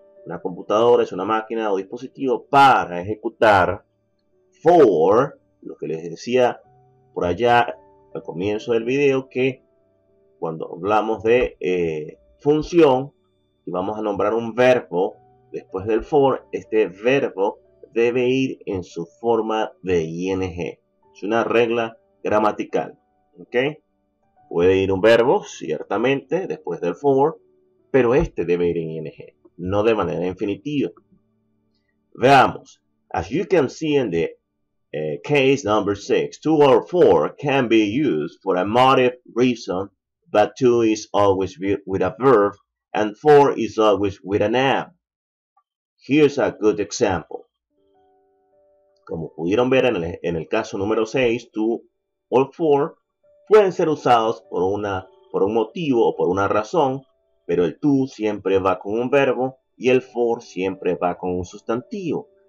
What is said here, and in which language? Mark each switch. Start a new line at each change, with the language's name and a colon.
Spanish: Una computadora es una máquina o dispositivo para ejecutar for, lo que les decía por allá al comienzo del video, que cuando hablamos de función y vamos a nombrar un verbo después del for, este verbo debe ir en su forma de ing. Es una regla gramatical. ¿Okay? Puede ir un verbo, ciertamente, después del for, pero este debe ir en ing. No de manera infinitiva. Veamos.
English: As you can see in the case number 6, 2 or 4 can be used for a motive reason, but 2 is always with a verb and 4 is always with a noun. Here's a good example.
Spanish: Como pudieron ver en el caso número 6, 2 or 4 pueden ser usados por un motivo o por una razón, Pero el tú siempre va con un verbo y el for siempre va con un sustantivo.